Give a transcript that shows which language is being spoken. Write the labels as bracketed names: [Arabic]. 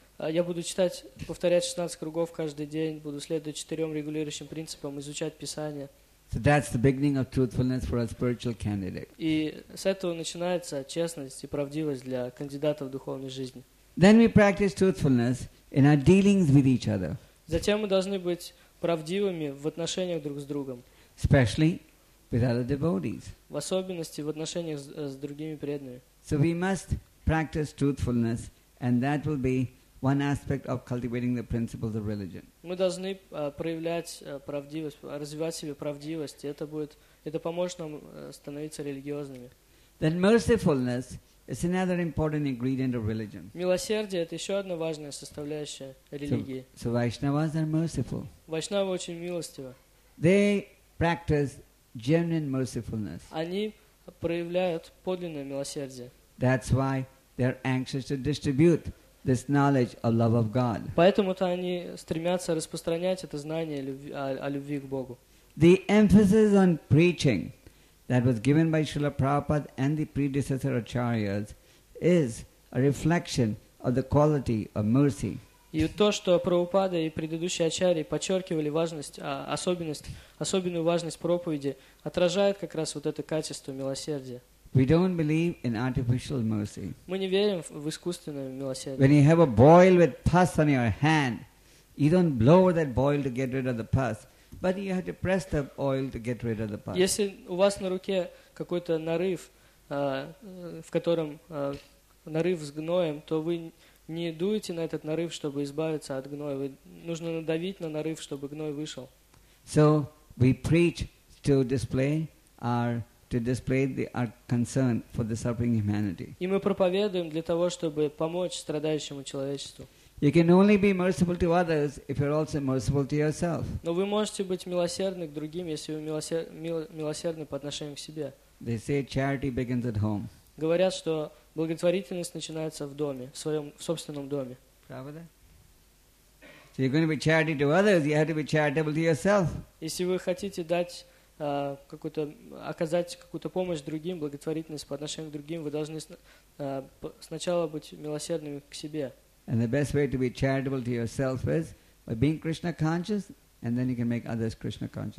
[Russian] Я буду читать, повторять 16 кругов каждый день. Буду следовать четырем регулирующим принципам, изучать Писание. [English] So that's the beginning of truthfulness for a spiritual candidate. [Russian] И с этого начинается честность и правдивость для кандидата в духовной жизни. [English] Then we practice truthfulness in our dealings with each other. [Russian] Затем мы должны быть правдивыми в отношениях друг с другом. [English] Especially with other devotees. [Russian] В особенности в отношениях с другими преданными. [English] So we must practice truthfulness, and that will be one aspect of cultivating the principles of religion. [Russian] Мы должны проявлять правдивость, развивать себе правдивость. Это поможет нам становиться религиозными. [English] Then mercifulness is another important ingredient of religion. [Russian] Милосердие – это еще одна важная составляющая религии. [English] So Vaishnavas are merciful. [Russian] Вайшнавы очень милостивы. [English] They practice genuine mercifulness. [Russian] Они проявляют подлинное милосердие. [English] That's why they are anxious to distribute this knowledge of love of God. [Russian] Поэтому-то они стремятся распространять это знание о любви к Богу. [English] The emphasis on preaching that was given by Srila Prabhupada and the predecessor acharyas is a reflection of the quality of mercy. [Russian] И то, что Прабхупада и предыдущие ачарьи подчеркивали важность, особенную важность проповеди, отражает как раз вот это качество милосердия. [English] We don't believe in artificial mercy. [Russian] Мы не верим в искусственное милосердие. [English] When you have a boil with pus on your hand, you don't blow that boil to get rid of the pus, but you have to press the oil to get rid of the pus. [Russian] Если у вас на руке какой-то нарыв, в котором нарыв с гноем, то вы не дуете на этот нарыв, чтобы избавиться от гноя. Нужно надавить на нарыв, чтобы гной вышел. [English] So we preach to display our concern for the suffering humanity. [Russian] И мы проповедуем для того, чтобы помочь страдающему человечеству. [English] You can only be merciful to others if you're also merciful to yourself. [Russian] Но вы можете быть милосердны к другим, если вы милосердны по отношению к себе. [English] They say charity begins at home. [Russian] Говорят, что благотворительность начинается в доме, в своем собственном доме. Правда? [English] So you're going to be charity to others, you have to be charitable to yourself. [Russian] Если вы хотите дать какую-то, оказать какую-то помощь другим, благотворительность по отношению к другим, вы должны сначала быть милосердными к себе. [English] And the best way to be charitable to yourself is by being Krishna conscious, and then you can make others Krishna conscious.